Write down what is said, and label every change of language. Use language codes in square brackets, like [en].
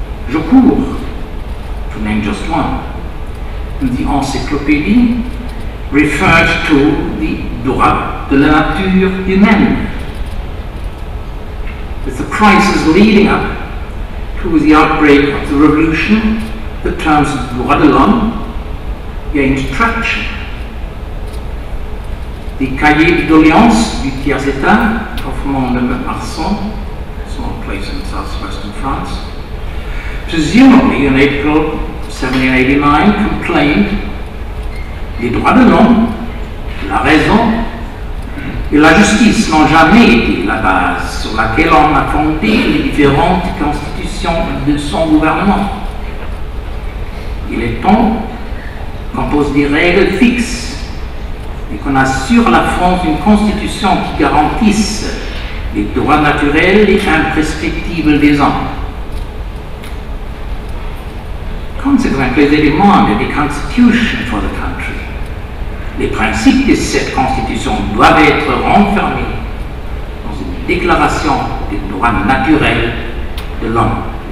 [en] Je cours, to name just one, in the Encyclopédie referred to the [fr] droit de la nature humaine. [en] With the crisis leading up to the outbreak of the revolution, the terms droit de l'homme gained traction. The Cahiers de Doléances du Tiers État of Mont-de-Marsan, a small place in southwestern France, presumably in April 1789, complained, [fr] les droits de l'homme, la raison et la justice n'ont jamais été la base sur laquelle on a fondé les différentes constitutions de son gouvernement. Il est temps qu'on pose des règles fixes et qu'on assure à la France une constitution qui garantisse les droits naturels et imprescriptibles des hommes. [en] Consequently, they demanded a constitution for the country. [fr] Les principes de cette constitution doivent être renfermés dans une déclaration des droits naturels de l'homme.